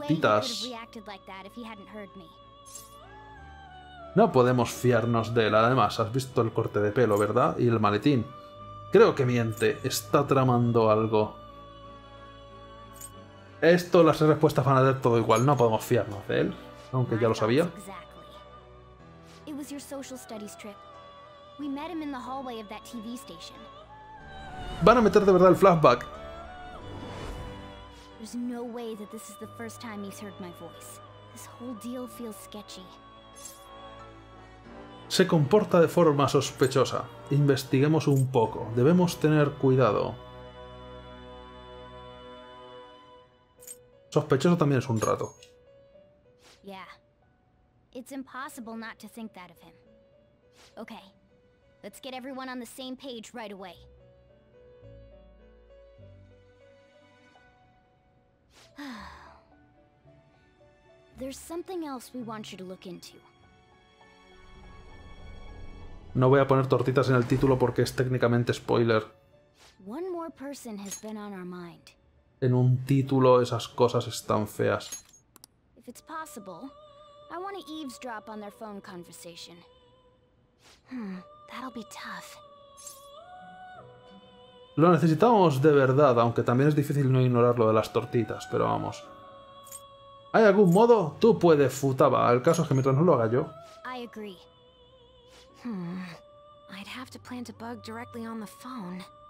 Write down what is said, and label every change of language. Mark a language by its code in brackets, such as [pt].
[en] Way he would have reacted like that if he hadn't heard me. [es] No podemos fiarnos de él. Además, has visto el corte de pelo, ¿verdad? Y el maletín. Creo que miente. Está tramando algo. Esto, las respuestas van a ser todo igual. No podemos fiarnos de él, aunque ya lo sabía. [en] It was your social studies trip. We met him in the hallway of that TV station. [es] Van a meter de verdad el flashback. [en] There's no way that this is the first time he's heard my voice. This whole deal feels sketchy. [es] Se comporta de forma sospechosa. Investiguemos un poco. Debemos tener cuidado. Sospechoso también es un rato. [en] Yeah. It's impossible not to think that of him. Okay. Let's get everyone on the same page right away. There's something else we want you to look into. [es] No voy a poner tortitas en el título porque es técnicamente spoiler. [en] One more person has been on our mind. [es] En un título esas cosas están feas. [en] If it's possible, I want to eavesdrop on their phone conversation. That'll be tough. [es] Lo necesitamos de verdad, aunque también es difícil no ignorar lo de las tortitas, pero vamos. ¿Hay algún modo? Tú puedes, Futaba. El caso es que mientras no lo haga yo. [en] I agree. I'd have to plant a bug directly on the phone.